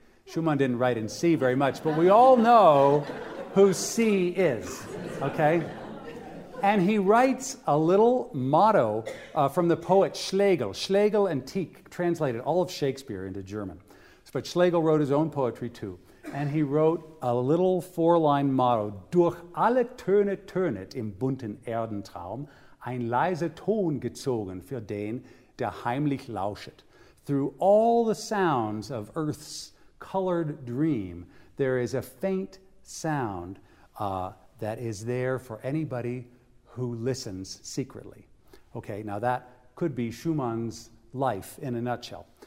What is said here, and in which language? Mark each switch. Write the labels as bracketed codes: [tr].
[en] Schumann didn't write in C very much, but we all know who C is, okay? And he writes a little motto from the poet Schlegel. Schlegel and Tieck translated all of Shakespeare into German. But Schlegel wrote his own poetry too. And he wrote a little 4-line motto. [de] Durch alle Töne tönet im bunten Erdentraum ein leiser Ton gezogen für den, der heimlich lauschet. [en] Through all the sounds of Earth's colored dream, there is a faint sound that is there for anybody who listens secretly. Okay, now that could be Schumann's life in a nutshell.